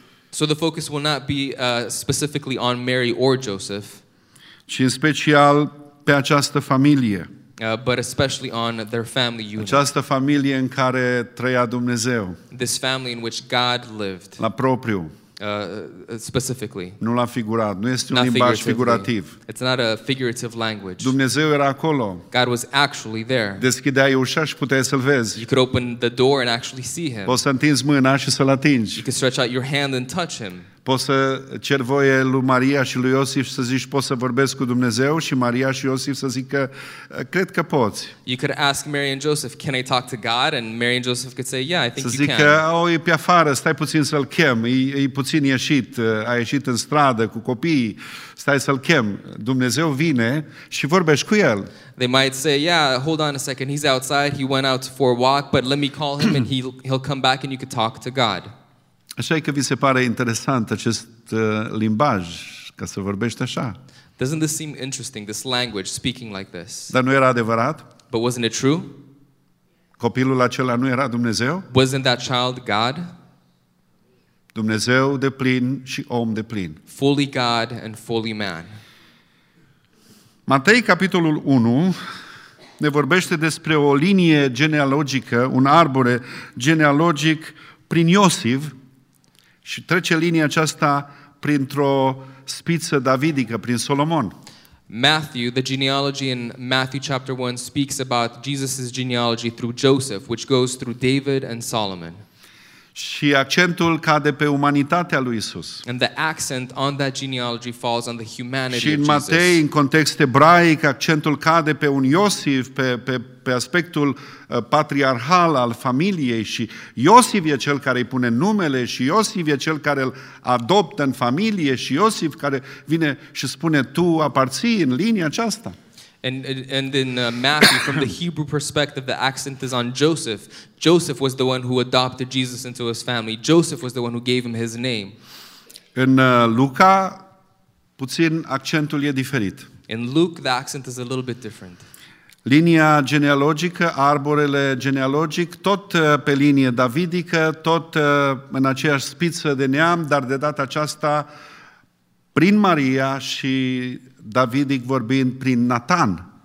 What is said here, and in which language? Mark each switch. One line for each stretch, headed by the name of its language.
English: So the focus will not be specifically on Mary or Joseph.
Romanian: Și în special pe această familie.
English: But especially on their family unit.
Romanian: Această familie în care trăia Dumnezeu.
English: This family in which God lived.
Romanian: La propriu.
English: Specifically.
Romanian: Nu l-a figurat. Nu este un limbaj figurativ.
English: It's not a figurative language.
Romanian: Dumnezeu era acolo.
English: God was actually there.
Romanian: Deschideai ușa și puteai să-l vezi.
English: You could open the door and actually see him.
Romanian: Poți să întinzi mâna și să-l atingi.
English: You could stretch out your hand and touch him.
Romanian: Poți să ceri voie lui Maria și lui Iosif să zici poți să vorbesc cu Dumnezeu și Maria și Iosif să zică cred că poți.
English: You could ask Mary and Joseph, can I talk to God? And Mary and Joseph could say, yeah, I think
Romanian: să
English: you can.
Romanian: Să zică, oh, e pe afară, stai puțin să-l chem, e puțin ieșit, a ieșit în stradă cu copiii, stai să-l chem. Dumnezeu vine și vorbești cu el.
English: They might say, yeah, hold on a second, he's outside, he went out for a walk, but let me call him and he'll come back and you could talk to God.
Romanian: Așa e că vi se pare interesant acest limbaj, ca să vorbești așa.
English: Doesn't this seem interesting, this language, speaking like this?
Romanian: Dar nu era adevărat?
English: But wasn't it true?
Romanian: Copilul acela nu era Dumnezeu?
English: Wasn't that child God?
Romanian: Dumnezeu de plin și om de plin.
English: Fully God and fully man.
Romanian: Matei, capitolul 1, ne vorbește despre o linie genealogică, un arbore genealogic prin Iosif, și trece linia aceasta printr-o spiță davidică, prin Solomon.
English: Matthew, the genealogy in Matthew chapter 1 speaks about Jesus' genealogy through Joseph, which goes through David and Solomon.
Romanian: Și accentul cade pe umanitatea lui Isus.
English: And the accent on that genealogy falls on the humanity of Jesus.
Romanian: Și în Matei, în context ebraic, accentul cade pe un Iosif, pe aspectul patriarhal al familiei și Iosif e cel care îi pune numele și Iosif e cel care îl adoptă în familie și Iosif care vine și spune tu aparții în linia aceasta.
English: And in Matthew, from the Hebrew perspective, the accent is on Joseph. Joseph was the one who adopted Jesus into his family. Joseph was the one who gave him his name.
Romanian: În Luca, puțin accentul e diferit.
English: In Luke, the accent is a little bit different.
Romanian: Linia genealogică, arborele genealogic, tot pe linie davidică, tot în aceeași spiță de neam, dar de data aceasta prin Maria și Davidic vorbind prin Nathan.